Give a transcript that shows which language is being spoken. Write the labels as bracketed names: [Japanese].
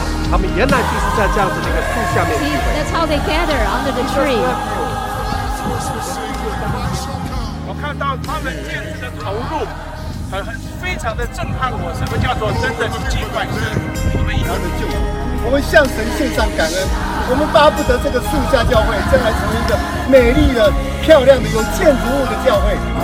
[Chinese] 他们原来就是在这样子的一个树下面聚会。 [English] See, that's how they gather under the tree. [Chinese] 我看到他们见证的投入，非常的震撼我。什么叫做真的敬拜神？我们要的救恩，我们向神献上感恩。我们巴不得这个树下教会将来成为一个美丽的、漂亮的、有建筑物的教会。